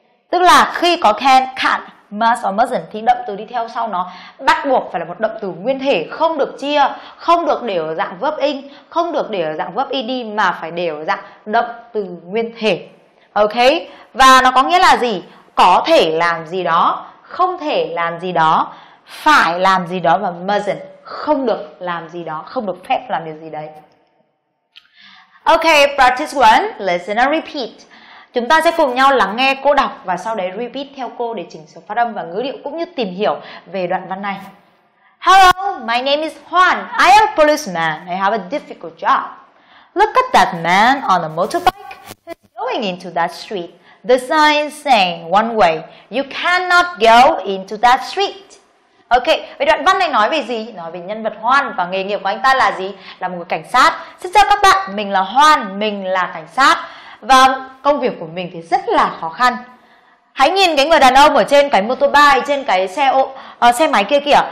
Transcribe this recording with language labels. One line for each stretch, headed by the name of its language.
Vietnamese: Tức là khi có can, can't, must or mustn't thì động từ đi theo sau nó bắt buộc phải là một động từ nguyên thể, không được chia, không được để ở dạng verb ing, không được để ở dạng verb ed, mà phải để ở dạng động từ nguyên thể. Ok, và nó có nghĩa là gì? Có thể làm gì đó, không thể làm gì đó, phải làm gì đó và mustn't không được làm gì đó, không được phép làm điều gì đấy.
English: Ok, practice one, listen and repeat.
Vietnamese: Chúng ta sẽ cùng nhau lắng nghe cô đọc và sau đấy repeat theo cô để chỉnh sửa phát âm và ngữ điệu cũng như tìm hiểu về đoạn văn này.
English: Hello, my name is Juan. I am a policeman. I have a difficult job. Look at that man on a motorbike. He's going into that street. The sign saying one way. You cannot go into that street.
Vietnamese: Ok, về đoạn văn này nói về gì? Nói về nhân vật Hoan và nghề nghiệp của anh ta là gì? Là một người cảnh sát. Xin chào các bạn, mình là Hoan, mình là cảnh sát. Và công việc của mình thì rất là khó khăn. Hãy nhìn cái người đàn ông ở trên cái motorbike, trên cái xe xe máy kia kìa.